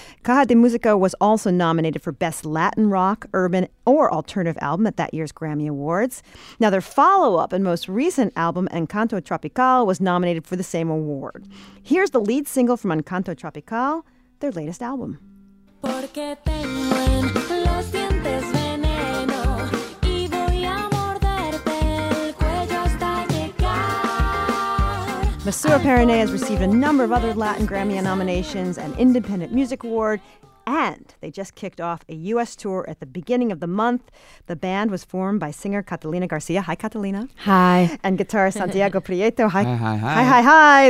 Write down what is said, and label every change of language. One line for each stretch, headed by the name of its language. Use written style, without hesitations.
English: Caja de Música was also nominated for Best Latin Rock, Urban, or Alternative Album at that year's Grammy Awards. Now, their follow-up and most recent album, Encanto Tropical, was nominated for the same award. Here's the lead single from Encanto Tropical, their latest album.
Spanish: Porque tengo en los dientes veneno y voy a morderte el cuello hasta llegar.
English: Monsieur Perrinet has received a number of other Latin Grammy nominations, an Independent Music Award, and they just kicked off a U.S. tour at the beginning of the month. The band was formed by singer Catalina Garcia. Hi, Catalina. Hi. And guitarist Santiago Prieto. Hi. Hi.